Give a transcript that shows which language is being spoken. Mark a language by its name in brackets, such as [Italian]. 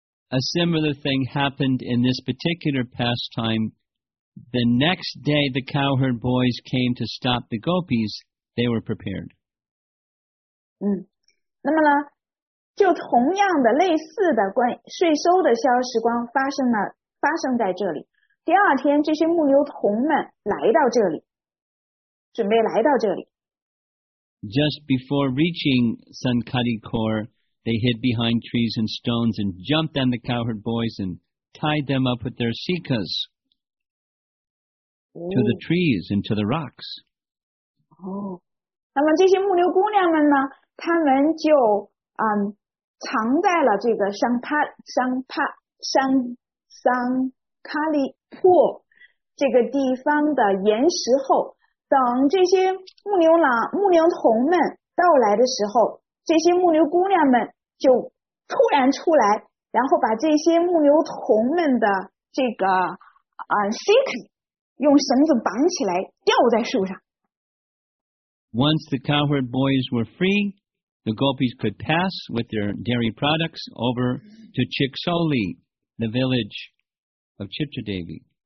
[English] A similar thing happened in this particular pastime. The next day, the cowherd boys came to stop the gopis. They were prepared. [Chinese] 那么呢，就同样的类似的关税收的消时光发生在这里。第二天，这些牧牛童们来到这里，准备来到这里。 [English] Just before reaching Sankalikor, they hid behind trees and stones and jumped on the cowherd boys and tied them up with their sikas to the trees and to the rocks. [Chinese] 那么这些牧牛姑娘们呢，她们就藏在了这个Sankalipur 这个地方的岩石后。等这些牧牛童们到来的时候，这些牧牛姑娘们就突然出来，然后把这些牧牛童们的这个sick 用绳子绑起来，吊在树上。 [English] Once the cowherd boys were free, the gopis could pass with their dairy products over to Chiksoli, the village of Chitradevi.